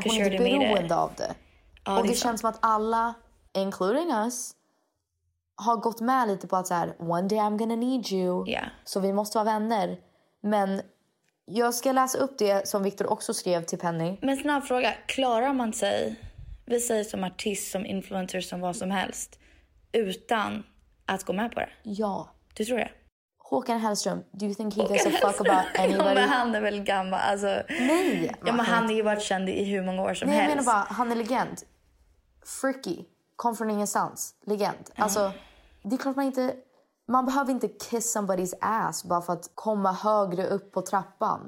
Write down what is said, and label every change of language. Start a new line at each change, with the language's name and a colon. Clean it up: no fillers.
Swedish: Hon är inte beroende av det. Ja, och det känns som att alla,
English: including us,
Swedish: har gått med lite på att så här,
English: one day I'm gonna need you. Yeah.
Swedish: Så vi måste vara vänner. Men jag ska läsa upp det som Victor också skrev till Penny. Men snabb fråga, klarar man sig, vi säger som artist, som influencer, som vad som helst, utan att gå med på det? Ja. Du tror det?
English: Håkan Hellström, do you think he gives a fuck about anybody?
Swedish: Ja, men han är väl gammal, alltså. Nej. Ja, men han är ju varit känd i hur många år som helst. Nej, jag menar bara, han är legend. Freaky. Kom från ingenstans. Legend. Alltså, det är klart man inte, man behöver inte
English: kiss somebody's ass
Swedish: bara för att komma högre upp på trappan.